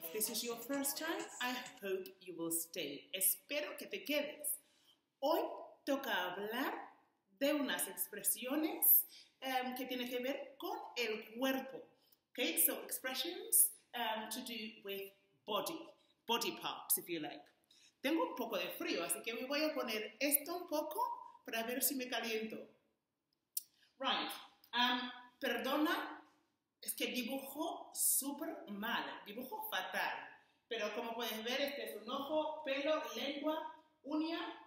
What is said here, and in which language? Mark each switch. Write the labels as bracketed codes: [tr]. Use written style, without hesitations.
[en] If this is your first time, I hope you will stay. [es] Espero que te quedes. Hoy toca hablar de unas expresiones que tienen que ver con el cuerpo. [en] Okay, so expressions to do with body parts, if you like. [es] Tengo un poco de frío, así que me voy a poner esto un poco para ver si me caliento. Right, perdona. Es que dibujo súper mal, dibujo fatal. Pero como puedes ver, este es un ojo, pelo, lengua, uña.